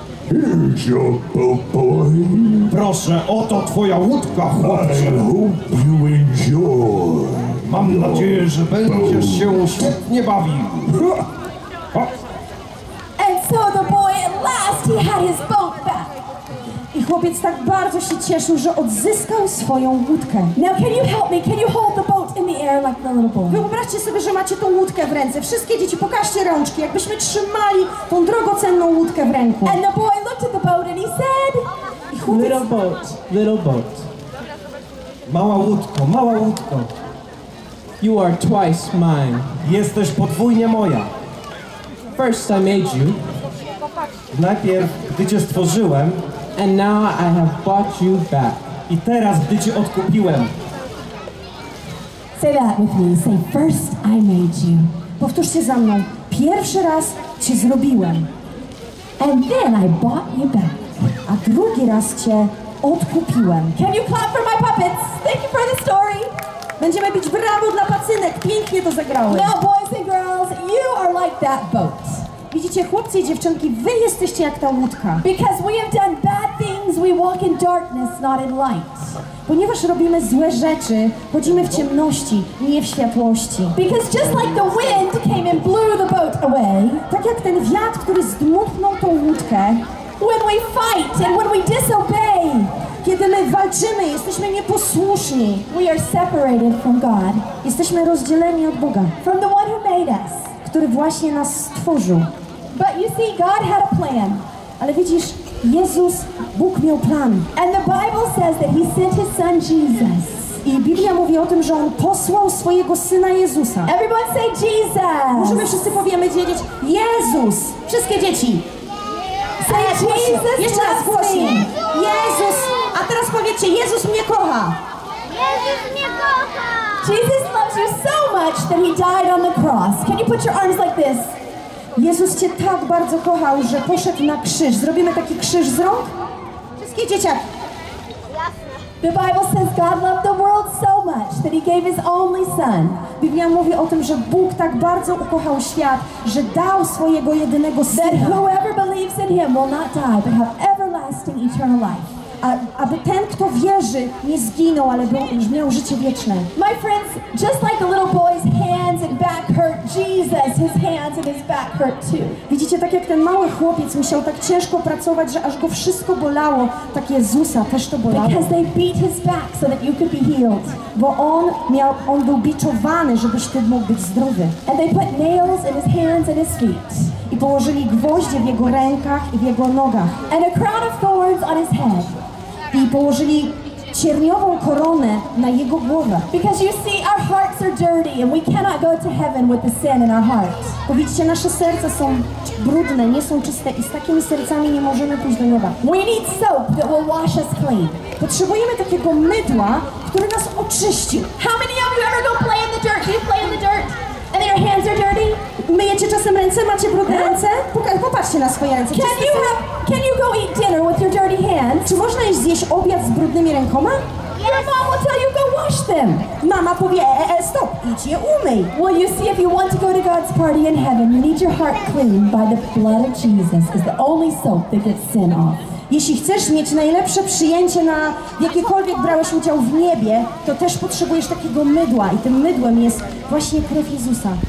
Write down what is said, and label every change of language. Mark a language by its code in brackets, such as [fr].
[en] Here's your boat, boy. [pl] Proszę, oto twoja łódka, chłopcze. [en] I hope you enjoy. [pl] Mam nadzieję, że będziesz się świetnie bawił. [en] And so the boy at last he had his boat back. [pl] I chłopiec tak bardzo się cieszył, że odzyskał swoją łódkę. [en] Now can you help me? Can you hold the boat in the air like the little boy? [pl] Wyobraźcie sobie, że macie tą łódkę w ręce. Wszystkie dzieci, pokażcie rączki, jakbyśmy trzymali tą drogocenną łódkę w ręku. [en] And the boy looked at the boat and he said... [pl] I chłopiec... [en] Little boat. [pl] Mała łódko. [en] You are twice mine. [pl] Jesteś podwójnie moja. [en] First I made you. [pl] Najpierw, gdy cię stworzyłem, [en] and now I have bought you back. [pl] I teraz, gdy cię odkupiłem. [en] Say that with me. Say, first I made you. [pl] Powtórzcie za mną. Pierwszy raz cię zrobiłem. [en] And then I bought you back. [pl] A drugi raz cię odkupiłem. [en] Can you clap for my puppets? Thank you for the story. [pl] Będziemy bić brawo dla pacynek. Pięknie to zagrały. [en] Now, boys and girls, you are like that boat. [pl] Widzicie, chłopcy i dziewczynki, wy jesteście jak ta łódka. [en] Because we have done bad things, we walk in darkness, not in light. [pl] Ponieważ robimy złe rzeczy, chodzimy w ciemności, nie w światłości. [en] Because just like the wind came and blew the boat away. [pl] Tak jak ten wiatr, który zdmuchnął tą łódkę. [en] When we fight and when we disobey. [pl] Kiedy my walczymy, jesteśmy nieposłuszni. [en] We are separated from God. [pl] Jesteśmy rozdzieleni od Boga. [en] From the one who made us. [pl] Który właśnie nas stworzył. [en] But you see, God had a plan. [pl] Ale widzisz, Jezus, Bóg miał plan. [en] And the Bible says that he sent his son Jesus. [pl] I Biblia mówi o tym, że on posłał swojego syna Jezusa. [en] Everyone say Jesus. [pl] Możemy wszyscy powiemy dziedzieć Jezus. Wszystkie dzieci. [en] Say Jesus. [pl] Jeszcze raz głośniej. Jezus. A teraz powiedzcie, Jezus mnie kocha. Jezus mnie kocha. [en] Jesus loves you so much that he died on the cross. Can you put your arms like this? [pl] Jezus cię tak bardzo kochał, że poszedł na krzyż. Zrobimy taki krzyż z rąk? Wszystkie dzieciaki. Jasne. [en] The Bible says God loved the world so much that he gave his only son. [pl] Biblia mówi o tym, że Bóg tak bardzo ukochał świat, że dał swojego jedynego syna. [en] That whoever believes in him will not die, but have everlasting eternal life. [pl] Aby ten, kto wierzy, nie zginął, ale miał życie wieczne. [en] My friends, just like the little boy's hands and back hurt, Jesus, his hands and his back hurt too. [pl] Widzicie, tak jak ten mały chłopiec musiał tak ciężko pracować, że aż go wszystko bolało, tak Jezusa też to bolało. [en] Because they beat his back so that you could be healed. [pl] Bo on był biczowany, żebyś ty mógł być zdrowy. [en] And they put nails in his hands and his feet. [pl] I położyli gwoździe w jego rękach i w jego nogach. [en] And a crown of thorns on his head. [pl] I położyli cierniową koronę na jego głowę. [en] Because you see, our hearts are dirty and we cannot go to heaven with the sin in our hearts. [pl] Bo widzicie, nasze serca są brudne, nie są czyste i z takimi sercami nie możemy pójść do nieba. [en] We need soap that will wash us clean. [pl] Potrzebujemy takiego mydła, który nas oczyści. [en] How many of you ever go play in the dirt? Do you play in the dirt? And your hands are dirty? [pl] Myjecie czasem ręce? Macie brudne ręce? Popatrzcie na swoje ręce. [en] Can you go eat dinner with your dirty hands? [pl] Czy można iść zjeść obiad z brudnymi rękoma? [en] Yes. Your mom will tell you go wash them. [pl] Mama powie, stop, idź je umyj. [en] Well, you see, if you want to go to God's party in heaven, you need your heart cleaned by the blood of Jesus. It's the only soap that gets sin off. [pl] Jeśli chcesz mieć najlepsze przyjęcie na jakiekolwiek brałeś udział w niebie, to też potrzebujesz takiego mydła i tym mydłem jest właśnie krew Jezusa.